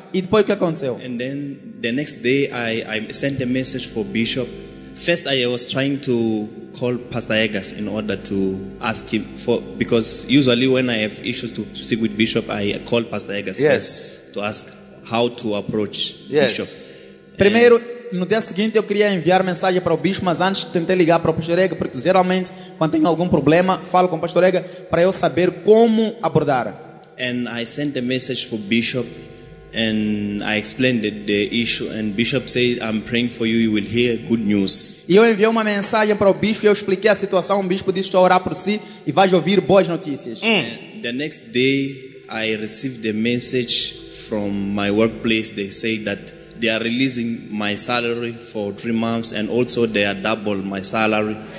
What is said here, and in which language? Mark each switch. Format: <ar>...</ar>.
<pt>E depois o que aconteceu?</pt> <en>And then the next day I sent a message for Bishop. First I was trying to call Pastor Eggers in order to ask him for, because usually when I have issues to speak with Bishop, I call Pastor Eggers. Yes. To ask how to approach Bishop.</en> <pt>Primeiro, no dia seguinte eu queria enviar mensagem para o bispo, mas antes tentei ligar para o Pastor Ega, porque geralmente quando tenho algum problema falo com o Pastor Ega para eu saber como abordar.</pt> <en>And I sent a message for Bishop and I explained the issue and Bishop said, "I'm praying for you, you will hear good news."</en> <pt>E eu enviei uma mensagem para o bispo e eu expliquei a situação. O bispo disse, "Estou a orar por si e vais ouvir boas notícias."</pt> <en>And the next day I received a message from my workplace. They say that they are releasing my salary for 3 months and also they are double my salary.</en>